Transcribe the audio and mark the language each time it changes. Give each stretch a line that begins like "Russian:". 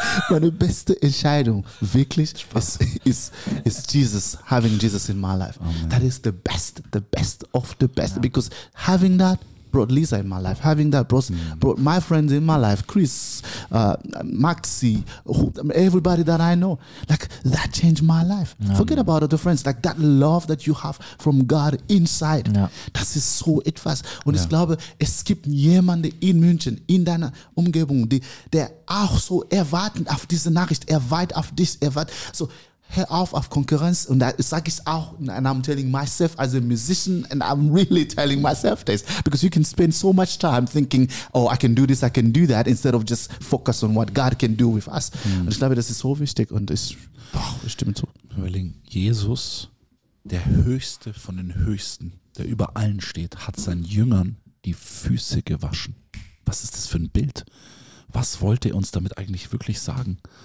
German: Meine beste Entscheidung wirklich ist Jesus,
English: having Jesus in my life. Amen. That is the best of the best. Yeah. Because having that brought Lisa in my life. Having that brought my friends in my life. Chris, Maxi, everybody that I know. Like, that changed my life. Yeah. Forget about other friends. Like, that love that you have from God inside. Yeah.
German: Das ist so etwas. Und ich glaube, es gibt jemanden in München, in deiner Umgebung, der auch so erwartet auf diese Nachricht. Er weit auf dich. Er weit, so, hör auf Konkurrenz. Und da sage ich auch,
English: and I'm telling myself as a musician, and I'm really telling myself this, because you can spend so much time thinking, oh, I can do this, I can do that, instead of just focus on what God can do with us.
German: Und ich glaube, das ist so wichtig und ich stimme zu. Jesus, der Höchste von den Höchsten, der über allen steht, hat seinen Jüngern die Füße gewaschen. Was ist das für ein Bild? Was wollte er uns damit eigentlich wirklich sagen?